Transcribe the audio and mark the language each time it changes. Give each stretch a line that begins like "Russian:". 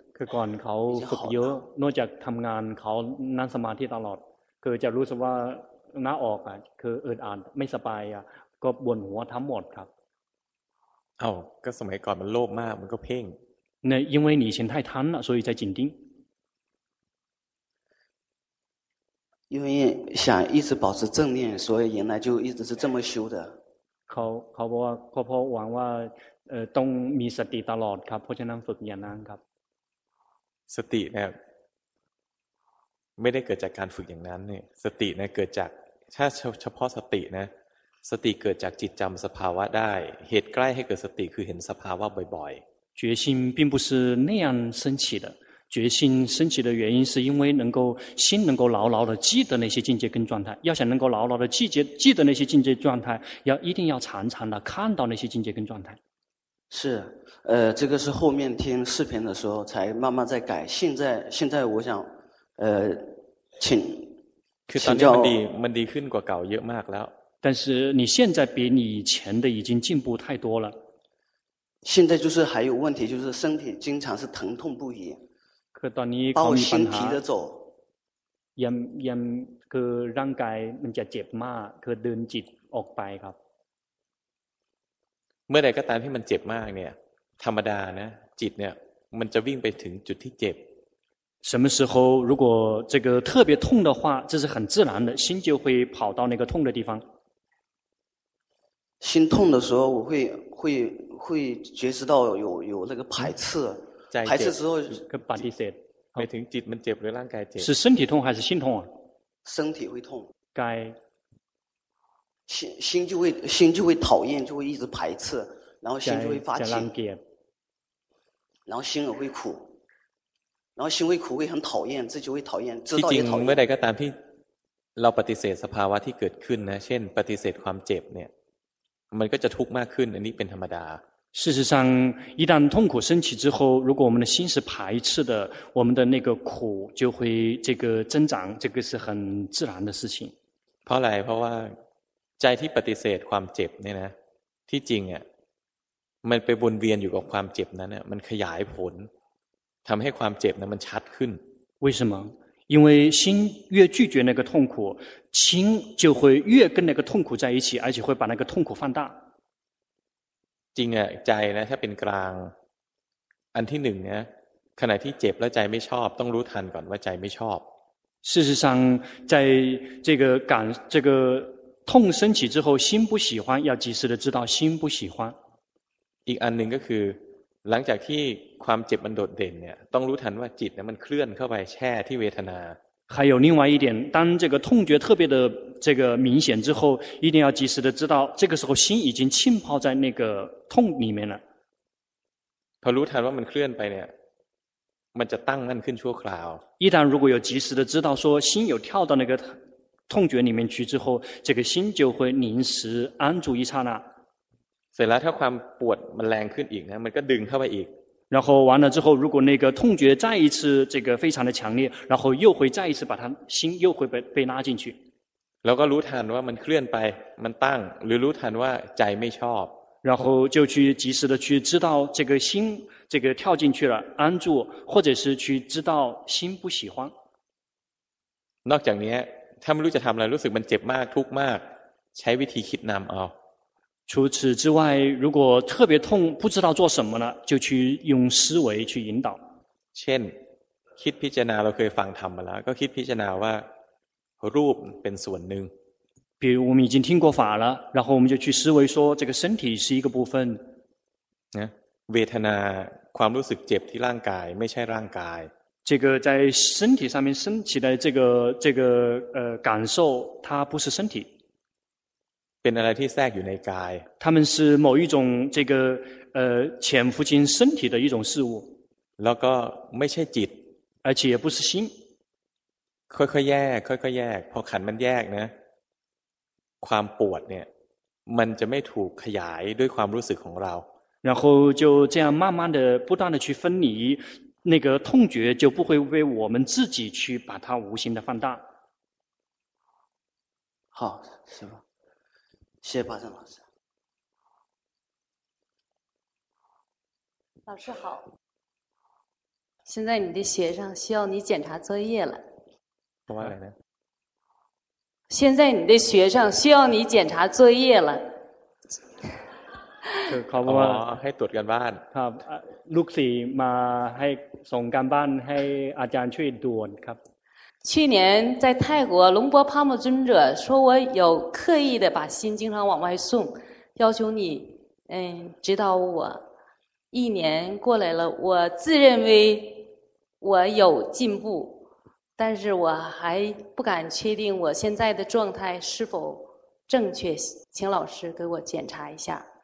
Thai: คือก่อนเขาฝึกเยอะนอกจากทำงานเขานั่งสมาธิตลอดคือจะรู้สึกว่าหน้าออกอ่ะคืออึดอัดไม่สบายอ่ะก็บวมหัวทั้งหมดครับ เอ้าก็สมัยก่อนมันโลภมากมันก็เพ่ง
Chinese: เนี่ย因为你以前太贪了所以才紧盯因为想一直保持正念，所以原来就一直是这么修的。
Thai: เขาบอกว่าครอบครัวหวังว่าต้องมีสติตลอดครับเพราะฉะนั้นฝึกอย่างนั้นครับ สติเนี่ยไม่ได้เกิดจากการฝึกอย่างนั้นเนี่ยสติเนี่ยเกิดจากถ้าเฉพาะสตินะสติเกิดจากจิตจำสภาวะได้เหตุใกล้ให้เกิดสติคือเห็นสภาวะบ่อย
Chinese: ๆ决心并不是那样升起的决心升起的原因是因为能够心能够牢牢的记得那些境界跟状态要想能够牢牢的记得那些境界状态要一定要常常的看到那些境界跟状态是这个是后面听视频的时候才慢慢在改现在我想请教
Thai: มันดีขึ้นกว่าเก่าเยอะมากแล้ว
Chinese: 但是你现在比你以前的已经进步太多了现在就是还有问题就是身体经常是疼痛不已
Thai: คือตอนนี้ เขามีปัญหายังคือร่างกายมันจะเจ็บมากคือดึงจิตออกไปครับ เมื่อใดก็ตามที่มันเจ็บมากเนี่ยธรรมดานะจิตเนี่ยมันจะวิ่งไปถึงจุดที่เจ็บ
Chinese: 什么时候如果这个特别痛的话这是很自然的心就会跑到那个痛的地方心痛的时候我会觉知到有那个排斥排斥之后跟巴蒂塞没听
Thai: จิตมันเจ็บหรือร่างกายเจ็บ
Chinese: 是身体痛还是心痛啊身体会痛该心就会讨厌就会一直排斥然后心就会发起然后心也会苦然后心会苦会很讨厌自己会讨厌知道也讨厌
Thai: ที่จริงเมื่อใดก็ตามที่เราปฏิเสธสภาวะที่เกิดขึ้นนะเช่นปฏิเสธความเจ็บเนี่ยมันก็จะทุกข์มากขึ้นอันนี้เป็นธรรมดา
Chinese: 事实上一旦痛苦升起之后如果我们的心是排斥的我们的那个苦就会这个增长这个是很自然的事情
Thai: เพราะอะไรเพราะว่าใจที่ปฏิเสธความเจ็บเนี่ยนะที่จริงอ่ะมันไปวนเวียนอยู่กับความเจ็บนั้นมันขยายผลทำให้ความเจ็บนั้นมันชัดขึ้น
Chinese: 为什么因为心越拒绝那个痛苦心就会越跟那个痛苦在一起而且会把那个痛苦放大
Thai: จริงอ่ะใจนะถ้าเป็นกลางอันที่หนึ่งนะขณะที่เจ็บแล้วใจไม่ชอบต้องรู้ทันก่อนว่าใจไม่ชอบ
Chinese: 事实上在这个感这个痛升起之后心不喜欢要及时的知道心不喜欢
Thai: อีกอันหนึ่งก็คือหลังจากที่ความเจ็บมันโดดเด่นเนี่ยต้องรู้ทันว่าจิตเนี่ยมันเคลื่อนเข้าไปแช่ที่เวทนา
Chinese: 还有另外一点当这个痛觉特别的这个明显之后一定要及时的知道这个时候心已经浸泡在那个痛里面了
Thai: พอรู้ทันว่ามันเคลื่อนไปเนี่ยมันจะตั้งมั่นขึ้นชั่วคราว
Chinese: 一旦如果有及时的知道说心有跳到那个痛觉里面去之后这个心就会临时安住一刹那
Thai: เสร็จแล้วถ้าความปวดมันแรงขึ้นอีกนะมันก็ดึงเข้าไปอีก
Chinese: 然后完了之后如果那个痛觉再一次这个非常的强烈然后又会再一次把它心又会被拉进去
Thai: แล้วก็รู้ทันว่ามันเคลื่อนไปมันตั้งหรือรู้ทันว่าใจไม่ชอบ
Chinese: 然后就去及时的去知道这个心这个跳进去了安住或者是去知道心不喜欢
Thai: นอกจากนี้ถ้าไม่รู้จะทำอะไรรู้สึกมันเจ็บมากทุกข์มากใช้วิธีคิดนำเอา
Chinese: 除此之外如果特别痛不知道做什么了就去用思维去引导
Thai: เช่นคิดพิจารณาเราเคยฟังธรรมมาแล้วก็คิดพิจารณาว่ารูปเป็นส่วนหนึ่ง
Chinese: 比如我们已经听过法了然后我们就去思维说这个身体是一个部分
Thai: เวทนาความรู้สึกเจ็บที่ร่างกายไม่ใช่ร่างกาย
Chinese: 这个在身体上面升起的这个感受它不是身体
Thai: เป็นอะไรที่แทรกอยู่ในกาย
Chinese: 它们是某一种这个潜伏进身体的一种事物
Thai: แล้วก็ไม่ใช่จิต
Chinese: 而且也不是心
Thai: ค่อยๆแยกค่อยๆแยกพอขันมันแยกนะความปวดเนี่ยมันจะไม่ถูกขยายด้วยความรู้สึกของเรา
Chinese: 然后就这样慢慢的不断的去分离那个痛觉就不会为我们自己去把它无形的放大好师父谢谢巴山老师老师好现在你的鞋上需要你检查作业了现在你的学生需要你检查作业了。考官，
Thai: ให้ตรวจการบ้าน。 ครับ，ลูกศิษย์มาให้ส่งการบ้านให้อาจารย์ช่วยด่วนครับ。
Chinese: 去年在泰国，龙波帕姆尊者说我有刻意的把心经常往外送，要求你指导我。一年过来了，我自认为我有进步，但是我还不敢确定我现在的状态是否正确，请老师给我检查一下。